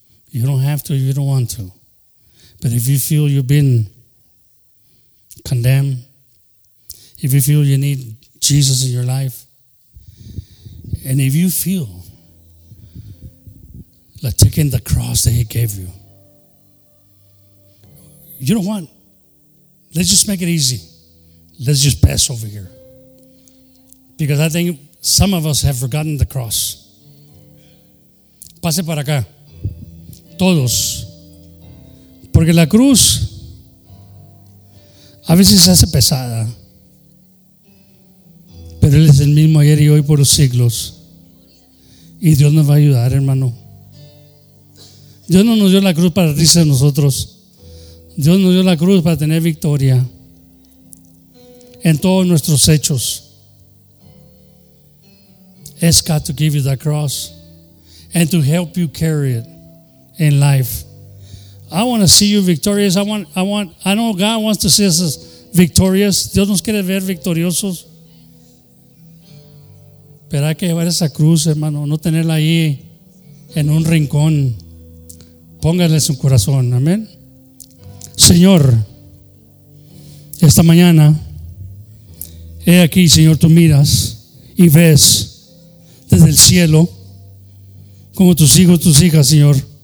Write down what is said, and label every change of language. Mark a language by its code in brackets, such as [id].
[en] You don't have to if you don't want to. But if you feel you've been condemned, if you feel you need Jesus in your life, and if you feel like taking the cross that he gave you, you know what? Let's just make it easy. Let's just pass over here. Because I think some of us have forgotten the cross. [es] pase para acá. Todos. Porque la cruz a veces se hace pesada. Pero Él es el mismo ayer y hoy por los siglos. Y Dios nos va a ayudar, hermano. Dios no nos dio la cruz para reírse de nosotros. Dios nos dio la cruz para tener victoria en todos nuestros hechos. [en] It's got to give you that cross and to help you carry it in life. I want to see you victorious. I know God wants to see us victorious. [es] Dios nos quiere ver victoriosos. Pero hay que llevar esa cruz, hermano, no tenerla ahí en un rincón. Póngale su corazón, amén. Señor, esta mañana, he aquí, Señor, tú miras y ves desde el cielo como tus hijos, tus hijas, Señor.